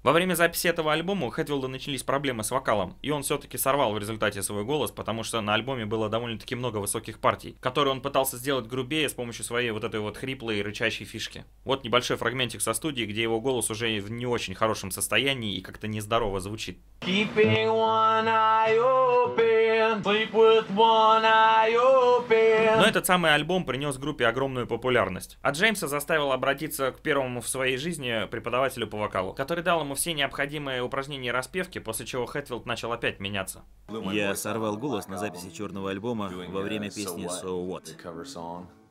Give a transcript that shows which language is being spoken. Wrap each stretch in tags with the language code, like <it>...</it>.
<ru>Во время записи этого альбома у Хэтфилда начались проблемы с вокалом, и он все-таки сорвал в результате свой голос, потому что на альбоме было довольно-таки много высоких партий, которые он пытался сделать грубее с помощью своей вот этой вот хриплой и рычащей фишки. Вот небольшой фрагментик со студии, где его голос уже в не очень хорошем состоянии и как-то нездорово звучит.</ru> <en>Keeping one eye open, sleep with one eye open.</en> <ru>Но этот самый альбом принес группе огромную популярность. А Джеймса заставил обратиться к первому в своей жизни преподавателю по вокалу, который дал ему все необходимые упражнения и распевки, после чего Хэтфилд начал опять меняться. Я сорвал голос на записи черного альбома во время песни «So What».</ru>